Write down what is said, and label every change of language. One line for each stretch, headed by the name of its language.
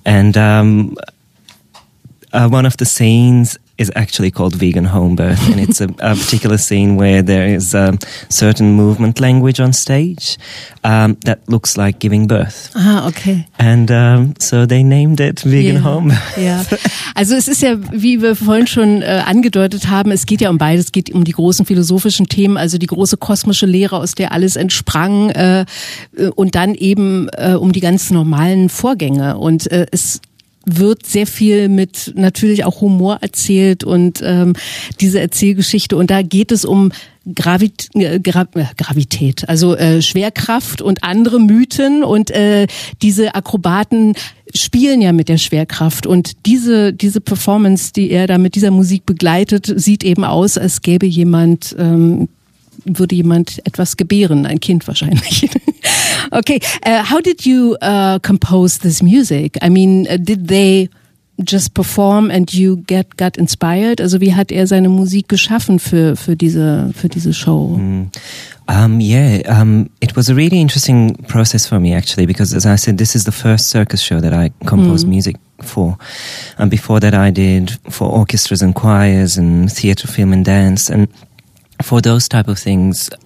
English: And one of the scenes is actually called Vegan Home Birth, and it's a particular scene where there is a certain movement language on stage that looks like giving birth. Ah, okay. And so they named it Vegan Home Birth. Yeah.
German: Also es ist ja, wie wir vorhin schon angedeutet haben, es geht ja um beides. Es geht um die großen philosophischen Themen, also die große kosmische Lehre, aus der alles entsprang, und dann eben um die ganz normalen Vorgänge. Und es wird sehr viel mit natürlich auch Humor erzählt und diese Erzählgeschichte. Und da geht es um Gravität, also Schwerkraft und andere Mythen. Und diese Akrobaten spielen ja mit der Schwerkraft. Und diese Performance, die er da mit dieser Musik begleitet, sieht eben aus, als gäbe jemand, würde jemand etwas gebären, ein Kind wahrscheinlich.
English: Okay, how did you compose this music? I mean, did they just perform and you got inspired?
German: Also wie hat er seine Musik geschaffen für diese Show?
English: It was a really interesting process for me, actually, because as I said, this is the first circus show that I composed music for. And before that I did for orchestras and choirs and theater, film and dance. And for those type of things,